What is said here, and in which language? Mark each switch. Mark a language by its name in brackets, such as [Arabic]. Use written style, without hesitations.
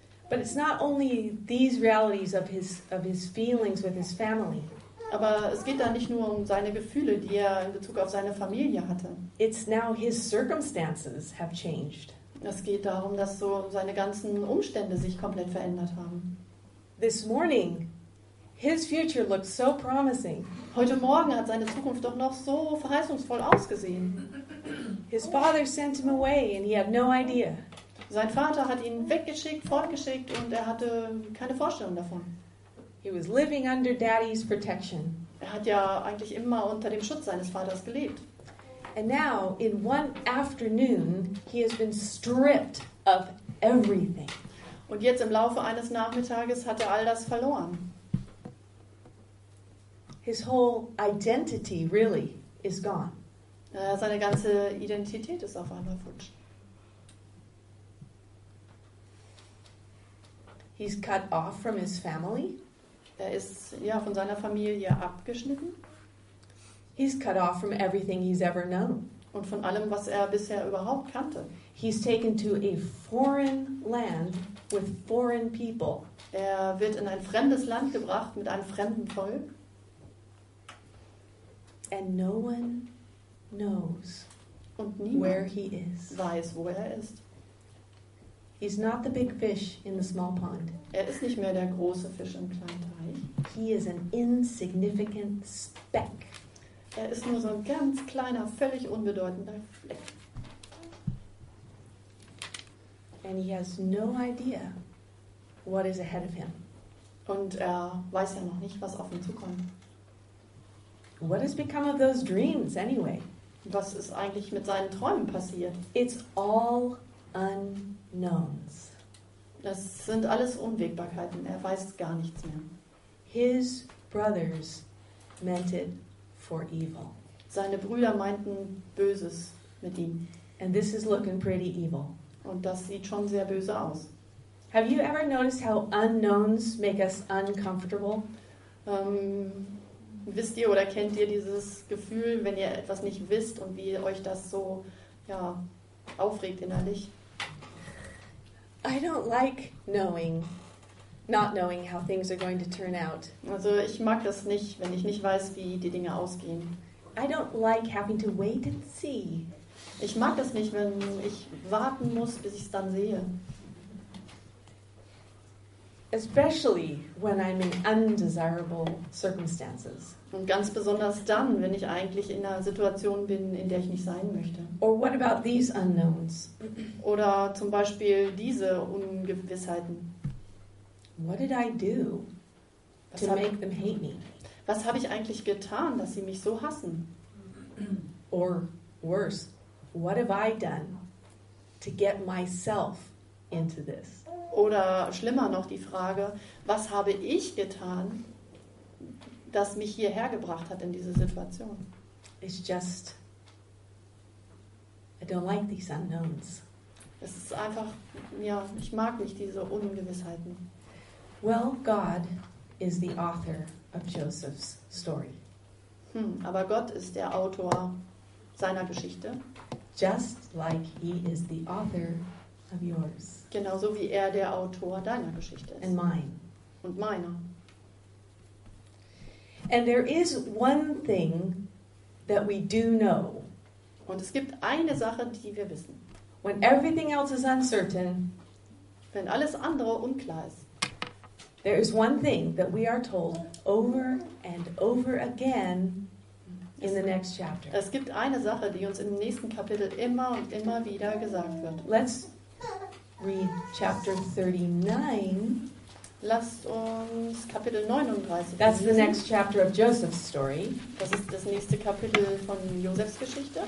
[English] But it's not only these realities of his feelings with his family. [German] Aber es geht da nicht nur um seine Gefühle, die er in Bezug auf seine Familie hatte. [English] It's now his circumstances have changed. [German] Es geht darum, dass so seine ganzen Umstände sich komplett verändert haben. [English] This morning, his future looked so promising. [German] Heute Morgen hat seine Zukunft doch noch so verheißungsvoll ausgesehen. [English] His father sent him away and he had no idea. [German] Sein Vater hat ihn weggeschickt, fortgeschickt und er hatte keine Vorstellung davon. [English] He was living under daddy's protection. [German] Er hat ja eigentlich immer unter dem Schutz seines Vaters gelebt. [English] And now, in one afternoon, he has been stripped of everything. [German] Und jetzt im Laufe eines Nachmittages hat er all das verloren. [English] His whole identity really is gone. [German] Seine ganze Identität ist auf einmal futsch. [English] He's cut off from his family. [German] Er ist ja von seiner Familie abgeschnitten. [English] He's cut off from everything he's ever known. [German] Und von allem, was er bisher überhaupt kannte. [English] He's taken to a foreign land with foreign people. [German] Er wird in ein fremdes Land gebracht mit einem fremden Volk. [English] And no one knows [German] Und niemand [English] where he is. [German] Weiß, wo er ist. [English] He's not the big fish in the small pond. [German] Er ist nicht mehr der große Fisch im kleinen Teich. [English] He is an insignificant speck. [German] Er ist nur so ein ganz kleiner, völlig unbedeutender Fleck. [English] And he has no idea what is ahead of him. [German] Und er weiß ja noch nicht, was auf ihn zukommt. [English] What has become of those dreams anyway? [German] Was ist eigentlich mit seinen Träumen passiert? [English] It's all unknowns. [German] Das sind alles Unwägbarkeiten. Er weiß gar nichts mehr. [English] His brothers meant it for evil. [German] Seine Brüder meinten Böses mit ihm. [English] And this is looking pretty evil. [German] Und das sieht schon sehr böse aus. [English] Have you ever noticed how unknowns make us uncomfortable? [German] Wisst ihr oder kennt ihr dieses Gefühl, wenn ihr etwas nicht wisst und wie euch das so ja, aufregt innerlich? [English] I don't like knowing, not knowing how things are going to turn out. [German] Also ich mag das nicht, wenn ich nicht weiß, wie die Dinge ausgehen. [English] I don't like having to wait and see. [German] Ich mag das nicht, wenn ich warten muss, bis ich es dann sehe. [English] Especially when I'm in undesirable circumstances. [German] Und ganz besonders dann, wenn ich eigentlich in einer Situation bin, in der ich nicht sein möchte. [English] Or what about these unknowns? [German] Oder zum Beispiel diese Ungewissheiten. [English] What did I do to make them hate me? [German] Was habe ich eigentlich getan, dass sie mich so hassen? [English] Or worse. What have I done to get myself into this? [German] Oder schlimmer noch die Frage, was habe ich getan, das mich hierher gebracht hat in diese Situation? [English] It's just, I don't like these unknowns. [German] Es ist einfach, ja, ich mag nicht diese Ungewissheiten. [English] Well, God is the author of Joseph's story. [German] Aber Gott ist der Autor seiner Geschichte. [English] Just like he is the author of yours. [German] Genauso wie er der Autor deiner Geschichte ist. [English] And mine. [German] Und meiner. [English] And there is one thing that we do know. [German] Und es gibt eine Sache, die wir wissen. [English] When everything else is uncertain, [German] wenn alles andere unklar ist, [English] there is one thing that we are told over and over again. In the next chapter. [German] Es gibt eine Sache, die uns im nächsten Kapitel immer und immer wieder gesagt wird. [English] Let's read chapter 39. [German] Lasst uns Kapitel 39. [English] That's the next chapter of Joseph's story. [German] Das ist das nächste Kapitel von Josefs Geschichte.